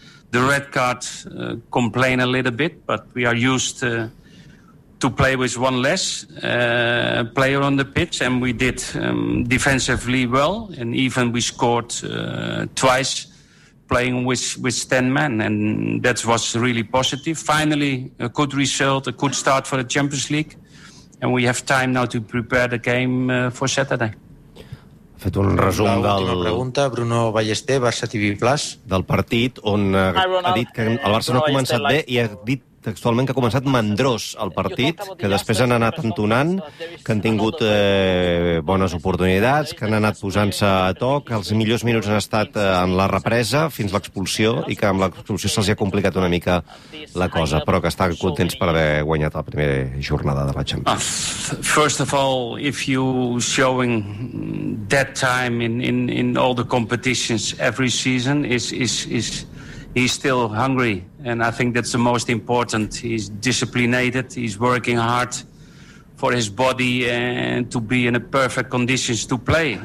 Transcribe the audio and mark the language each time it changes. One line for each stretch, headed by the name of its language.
English: The red card complain a little bit, but we are used to play with one less player on the pitch, and we did defensively well, and even we scored twice playing with 10 men, and that was really positive. Finally, a good result, a good start for the Champions League, and we have time now to prepare the game for Saturday.
Catalan: Ha fet un resum de la pregunta, Bruno Ballester, Barça TV Plus, del partit on ha dit que el Barça no ha començat bé i ha dit textualment que ha començat mandrós el partit, que després han anat entonant, que han tingut bones oportunitats, que han anat posant-se a toc, que els millors minuts han estat en la represa fins l'expulsió, i que amb l'expulsió se'ls ha complicat una mica la cosa, però que estan contents per haver guanyat la primera jornada de la Champions.
English: First of all, if you showing that time in all the competitions every season is he's still hungry. And I think that's the most important. He's disciplined. He's working hard for his body and to be in a perfect conditions to play.